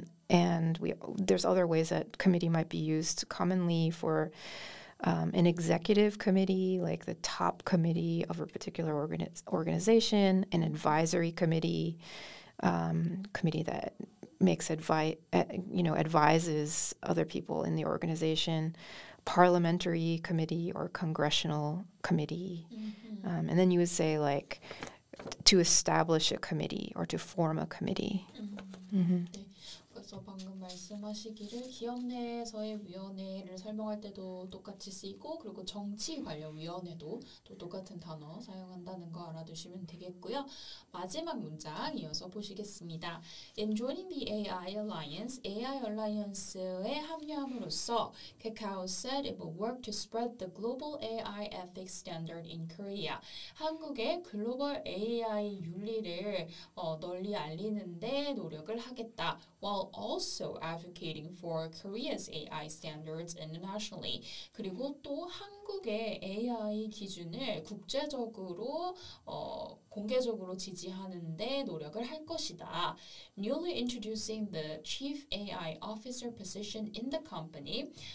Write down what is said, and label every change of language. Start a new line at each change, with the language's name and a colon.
English: And there's other ways that committee might be used commonly for an executive committee, like the top committee of a particular organization, an advisory committee, committee that makes advises other people in the organization, parliamentary committee or congressional committee. Mm-hmm. And then you would say like to establish a committee or to form a committee. Mm-hmm. Mm-hmm.
Korean: 그래서 방금 말씀하시기를 기업 내에서의 위원회를 설명할 때도 똑같이 쓰이고 그리고 정치 관련 위원회도 또 똑같은 단어 사용한다는 거 알아두시면 되겠고요. 마지막 문장 이어서 보시겠습니다.
English: In joining the AI Alliance,
Korean: AI Alliance에 합류함으로써
English: Kakao said it will work to spread the global AI ethics standard in Korea.
Korean: 한국의 글로벌 AI 윤리를 널리 알리는 데 노력을 하겠다.
English: While also advocating for Korea's AI standards internationally.
Korean: 그리고 또 한국의 AI 기준을 국제적으로 공개적으로 지지하는데 노력을 할 것이다.
English: Newly introducing the chief AI officer position in the company.